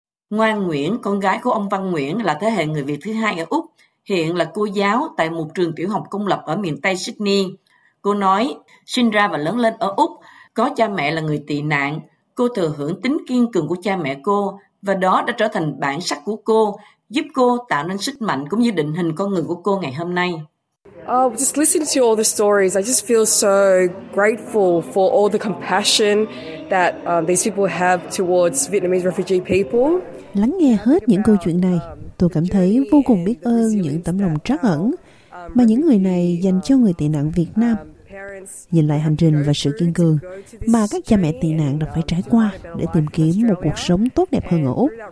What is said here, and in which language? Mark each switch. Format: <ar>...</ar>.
<vi>Ngoan Nguyễn, con gái của ông Văn Nguyễn, là thế hệ người Việt thứ hai ở Úc, hiện là cô giáo tại một trường tiểu học công lập ở miền Tây Sydney. Cô nói sinh ra và lớn lên ở Úc, có cha mẹ là người tị nạn, cô thừa hưởng tính kiên cường của cha mẹ cô và đó đã trở thành bản sắc của cô, giúp cô tạo nên sức mạnh cũng như định hình con người của cô ngày hôm nay.</vi> <en>Just listening to all the stories, I just feel so grateful for all the compassion that these people have towards Vietnamese refugee people.</en> <vi>Lắng nghe hết những câu chuyện này, tôi cảm thấy vô cùng biết ơn những tấm lòng trắc ẩn mà những người này dành cho người tị nạn Việt Nam. Nhìn lại hành trình và sự kiên cường mà các cha mẹ tị nạn đã phải trải qua để tìm kiếm một cuộc sống tốt đẹp hơn ở Úc.</vi>